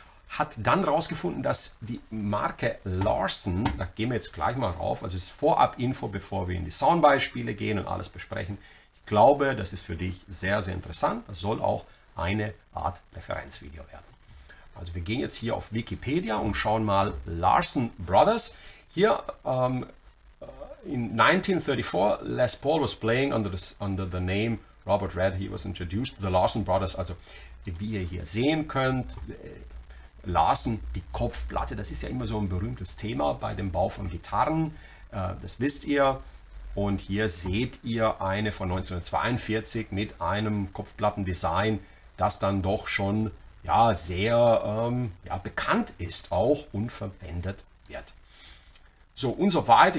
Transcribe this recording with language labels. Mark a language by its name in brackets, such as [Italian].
[German] Hat dann herausgefunden, dass die Marke Larson, da gehen wir jetzt gleich mal drauf, also ist Vorab-Info, bevor wir in die Soundbeispiele gehen und alles besprechen. Ich glaube, das ist für dich sehr, sehr interessant. Das soll auch eine Art Referenzvideo werden. Also wir gehen jetzt hier auf Wikipedia und schauen mal Larson Brothers. [English] Hier in 1934, Les Paul was playing under the name Robert Red. He was introduced to the Larson Brothers. [German] Also wie ihr hier sehen könnt, Larson, die Kopfplatte, das ist ja immer so ein berühmtes Thema bei dem Bau von Gitarren. Das wisst ihr. Und hier seht ihr eine von 1942 mit einem Kopfplattendesign, das dann doch schon ja, sehr bekannt ist auch und verwendet wird. So und so weiter.